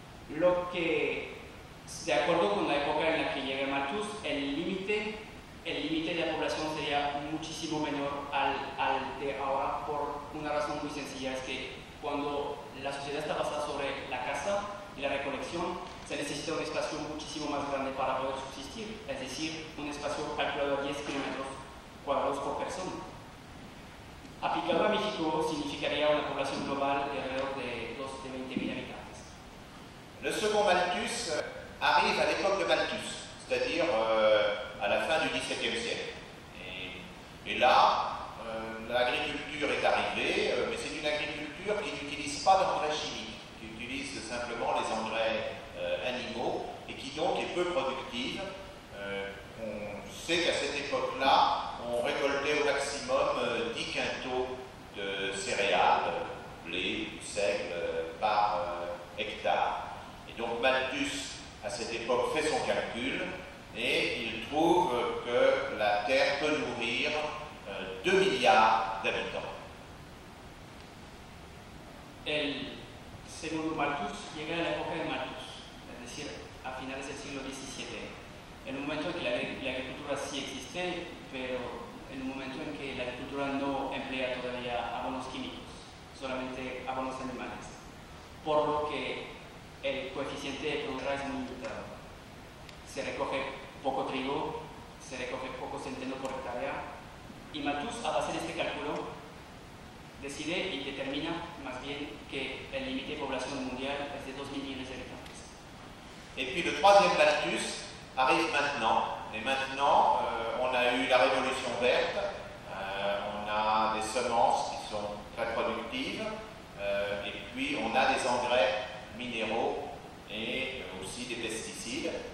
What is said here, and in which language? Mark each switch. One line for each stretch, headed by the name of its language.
Spanish: Lo que, de acuerdo con la época en la que llega Malthus, el límite de la población sería muchísimo menor al de ahora, por una razón muy sencilla: es que cuando la sociedad está basada sobre la caza y la recolección, se necesita un espacio muchísimo más grande para poder subsistir, es decir, un espacio calculado a 10 kilómetros cuadrados por persona. Aplicado a México, significaría una población global de alrededor de 20.000 habitantes.
French: Le second Malthus arrive à l'époque de Malthus, c'est-à-dire à la fin du XVIIe siècle. Et là, l'agriculture est arrivée, mais c'est une agriculture qui n'utilise pas d'engrais chimiques, qui utilise simplement les engrais animaux, et qui donc est peu productive. On sait qu'à cette époque-là, on récoltait au maximum 10 quintaux de céréales, blé, seigle, par hectare. Et donc Malthus, à cette époque, fait son calcul, et il trouve que la terre peut nourrir 2 milliards d'habitants.
Spanish: El segundo Malthus llega a la época de Malthus, es decir, a finales del siglo XVII, en un momento en que la agricultura sí existe, pero en un momento en que la agricultura no emplea todavía abonos químicos, solamente abonos animales, por lo que el coeficiente de producción es muy limitado. Se recoge poco trigo, se recoge poco centeno por hectárea, y Malthus, a base de este cálculo, decide y determina más bien que el límite de población mundial es de 2 millones de habitantes.
French: Et puis le troisième lapsus arrive maintenant. Et maintenant, on a eu la révolution verte, on a des semences qui sont très productives, et puis on a des engrais minéraux et aussi des pesticides.